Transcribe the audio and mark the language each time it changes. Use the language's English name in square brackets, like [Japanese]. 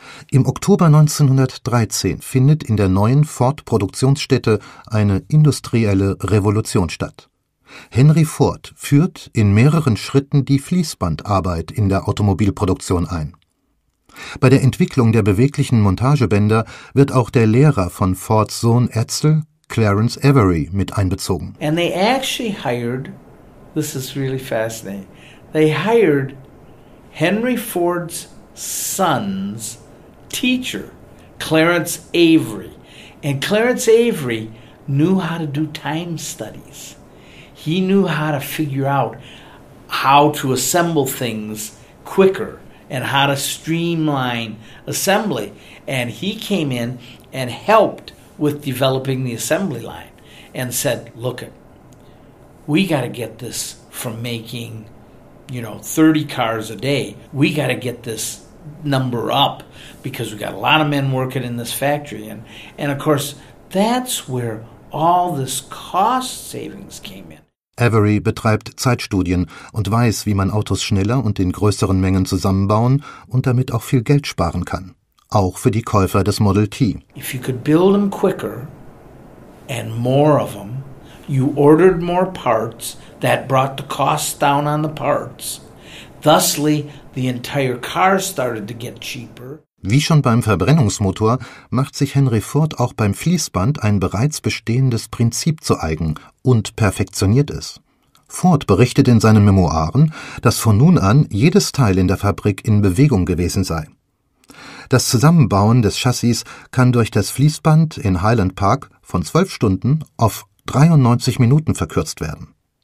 [German] Im Oktober 1913 findet in der neuen Ford-Produktionsstätte eine industrielle Revolution statt. Henry Ford führt in mehreren Schritten die Fließbandarbeit in der Automobilproduktion ein. Bei der Entwicklung der beweglichen Montagebänder wird auch der Lehrer von Fords Sohn Edsel, Clarence Avery, mit einbezogen. [English] And they actually hired, this is really fascinating, they hired Henry Ford's son's teacher, Clarence Avery. And Clarence Avery knew how to do time studies. He knew how to figure out how to assemble things quicker and how to streamline assembly. And he came in and helped with developing the assembly line and said, look, we got to get this from making, you know, 30 cars a day. We got to get this number up because we got a lot of men working in this factory. And of course, that's where all this cost savings came in. [German] Avery betreibt Zeitstudien und weiß, wie man Autos schneller und in größeren Mengen zusammenbauen und damit auch viel Geld sparen kann. Auch für die Käufer des Model T. [English] If you could build them quicker and more of them, you ordered more parts, that brought the cost down on the parts. Thusly, the entire car started to get cheaper. [German] Wie schon beim Verbrennungsmotor macht sich Henry Ford auch beim Fließband ein bereits bestehendes Prinzip zu eigen und perfektioniert es. Ford berichtet in seinen Memoiren, dass von nun an jedes Teil in der Fabrik in Bewegung gewesen sei. Das Zusammenbauen des Chassis kann durch das Fließband in Highland Park von 12 Stunden auf 93 Minuten verkürzt werden.